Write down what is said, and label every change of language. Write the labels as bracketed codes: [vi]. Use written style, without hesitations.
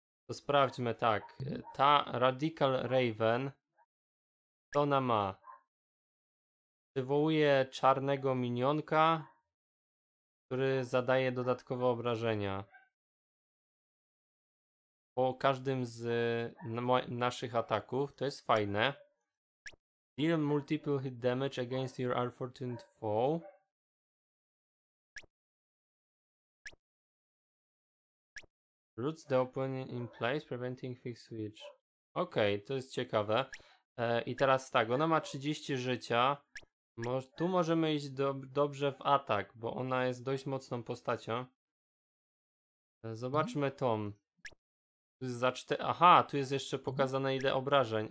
[pl] To sprawdźmy tak. Ta Radical Raven... Co ona ma? Przywołuje czarnego minionka, który zadaje dodatkowe obrażenia. Po każdym z naszych ataków, to jest fajne. [en] Deal multiple hit damage against your unfortunate foe. Roots the opponent in place, preventing fix switch. [pl] Okej, okay, to jest ciekawe. I teraz tak, ona ma 30 życia. Tu możemy iść dobrze w atak, bo ona jest dość mocną postacią. Zobaczmy tą. Aha, tu jest jeszcze pokazane ile obrażeń.